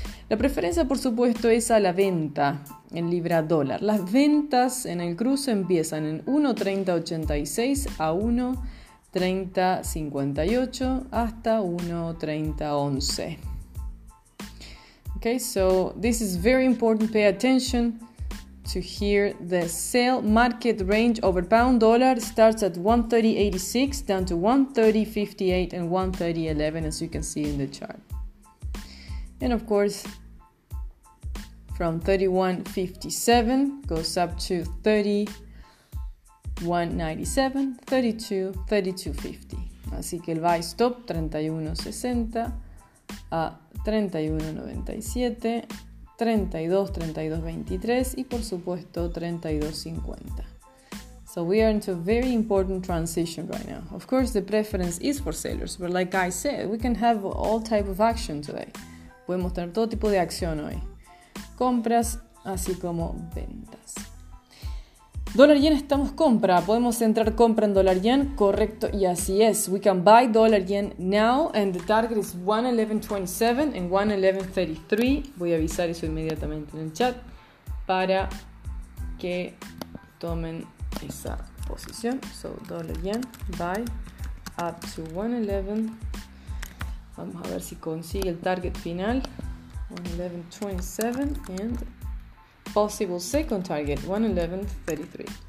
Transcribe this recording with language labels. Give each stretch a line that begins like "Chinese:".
Spanish: La preferencia, por supuesto, es a la venta en libra dólar. Las ventas en el cruce empiezan en 1.3086 a 1.3058 hasta 1.3011.
English: Okay, so this is very important. Pay attention to hear the sell market range over pound dollar starts at 1.3086 down to 1.3058 and 1.3011, as you can see in the chart. And of course, from 31.57 goes up to 31.97, 32.50.
Spanish: Así que el buy stop 31.60 a 31.97, 32, 32.23 y por supuesto 32.50.
English: So we are into a very important transition right now. Of course, the preference is for sellers, but like I said, we can have all type of action today.
Spanish: Podemos tener todo tipo de acción hoy. Compras así como ventas. Dólar yen, estamos compra. ¿Podemos entrar compra en dólar yen? Correcto, y así es.
English: We can buy dólar yen now and the target is 111.27 and 111.33.
Spanish: Voy a avisar eso inmediatamente en el chat para que tomen esa posición.
English: So dólar yen, buy up to 111.
Spanish: Vamos a ver si consigue el target final. 111.27
English: and possible second target
Spanish: 111.33.